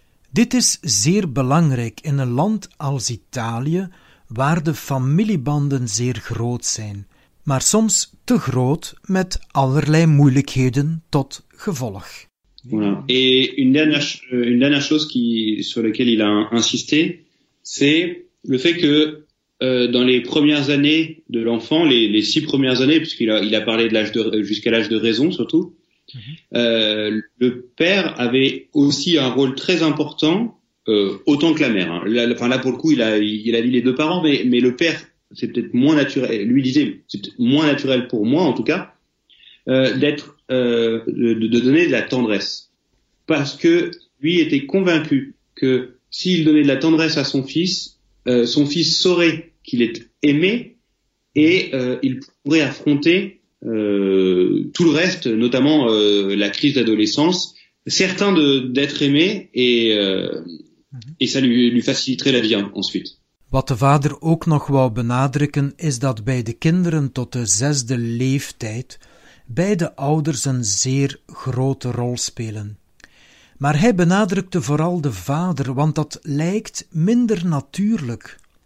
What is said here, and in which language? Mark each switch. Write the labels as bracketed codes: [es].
[nl] Dit is zeer belangrijk in een land als Italië, waar de familiebanden zeer groot zijn, maar soms te groot met allerlei moeilijkheden tot gevolg. [fr] Voilà. Et une dernière chose sur laquelle il a insisté, c'est le fait que dans les premières années de l'enfant, les six premières années, puisqu'il a parlé de l'âge de jusqu'à l'âge de raison surtout, le père avait aussi un rôle très important, autant que la mère. Hein. Enfin là pour le coup, il a dit les deux parents, mais le père, c'est peut-être moins naturel. Lui disait, c'est moins naturel pour moi en tout cas. De donner de la tendresse. Parce que lui était convaincu que s'il donnait de la tendresse à son fils saurait qu'il est aimé et il pourrait affronter tout le reste, notamment la crise d'adolescence, certain d'être aimé et ça lui faciliterait la vie ensuite. [nl] Wat de vader ook nog wou benadrukken, is dat bij de kinderen tot de zesde leeftijd beide ouders een zeer grote rol spelen. Maar hij benadrukte vooral de vader, want dat lijkt minder natuurlijk.